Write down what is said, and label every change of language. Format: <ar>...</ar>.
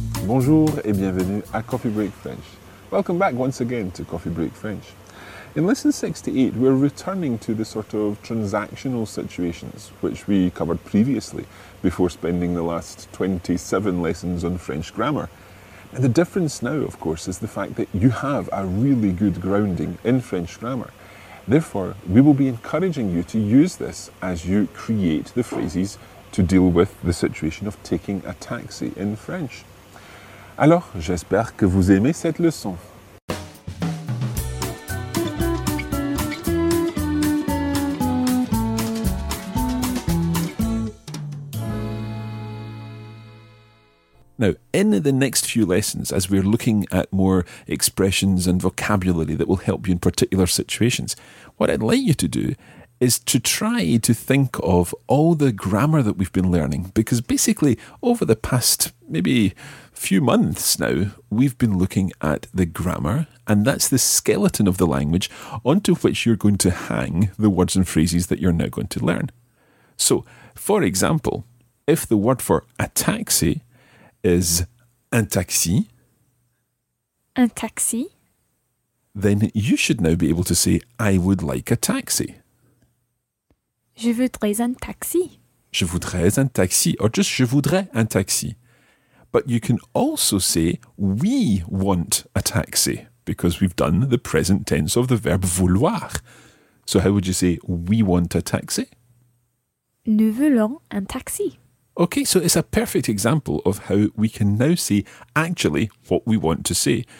<fr>Bonjour et bienvenue à Coffee Break French.</fr> <en>Welcome back once again to Coffee Break French. In lesson 68, we're returning to the sort of transactional situations which we covered previously before spending the last 27 lessons on French grammar. And the difference now, of course, is the fact that you have a really good grounding in French grammar. Therefore, we will be encouraging you to use this as you create the phrases to deal with the situation of taking a taxi in French.</en> <fr>Alors, j'espère que vous aimez cette leçon.</fr> <en>Now, in the next few lessons, as we're looking at more expressions and vocabulary that will help you in particular situations, what I'd like you to do is to try to think of all the grammar that we've been learning, because basically, over the past maybe few months now, we've been looking at the grammar, and that's the skeleton of the language onto which you're going to hang the words and phrases that you're now going to learn. So, for example, if the word for a taxi is un taxi.</en> <fr>Un taxi.</fr> <en>Then you should now be able to say, I would like a taxi.</en> <fr>Je voudrais un taxi. Je voudrais un taxi,</fr> <en>or just</en> <fr>je voudrais un taxi.</fr> <en>But you can also say, we want a taxi, because we've done the present tense of the verb vouloir. So how would you say, we want a taxi?</en> <fr>Nous voulons un taxi.</fr> <en>Okay, so it's a perfect example of how we can now say actually what we want to say.</en>